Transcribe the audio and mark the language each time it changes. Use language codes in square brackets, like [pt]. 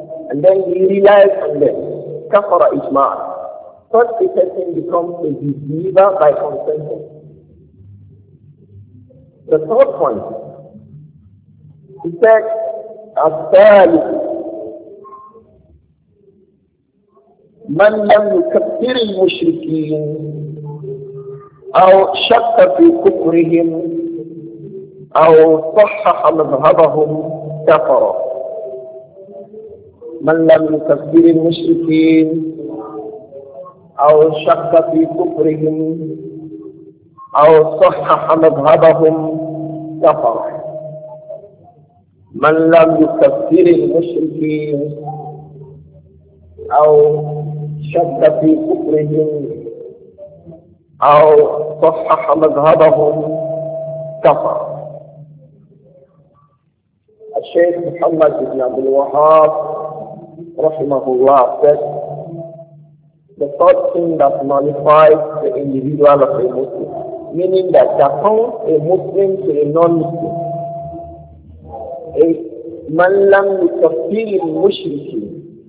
[en] And then he relies on them. Kafara ijma'a. Such a person becomes a disbeliever by consensus. The third point. He said, الثالث. [ar] من لم يكفر المشركين أو شك في كفرهم أو صحح مذهبهم كفر. من لم يكفر المشركين أو شك في كفرهم أو صحح مذهبهم كفر. من لم يكفر المشركين أو شك في كفرهم أو صحح مذهبهم كفر. [en] الشيخ محمد بن عبد الوهاب رحمه الله said, the third thing that nullifies the individual of a Muslim, meaning that to account a Muslim to a non-Muslim, a man lam yukafir al-mushrikeen.